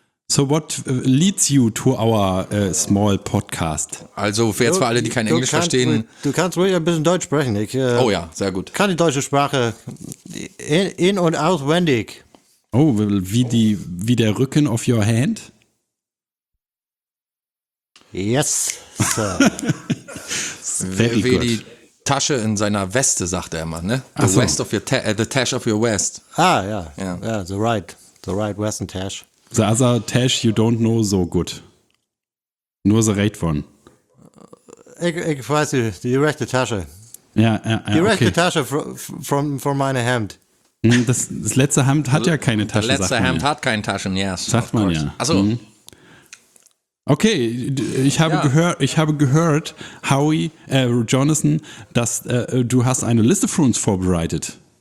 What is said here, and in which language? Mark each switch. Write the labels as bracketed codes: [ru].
[en] So what leads you to our small podcast? [de] Also jetzt für alle, die kein Englisch verstehen. Du kannst ruhig ein bisschen Deutsch sprechen. Oh ja, sehr gut. Kann die deutsche Sprache in und auswendig. Oh, wie der Rücken [en] of your hand? Yes, sir. Very good. [de] Wie die Tasche in seiner Weste, sagt er immer, ne? [en] The tash of your west. Ah, ja. Yeah. Yeah, the right western tash. The other tash you don't know so good. [de] Nur [en] the right one. [de] Ich weiß die rechte Tasche. Ja, die rechte okay. Tasche [en] from [de] meine Hemd. Das letzte Hemd hat ja keine Tasche, sagt man. Letzte Hemd hat keine Taschen, yes. Sagt man ja. Achso. Mhm. Okay, ich habe gehört, Jonathan, dass du hast eine Liste für uns vorbereitet.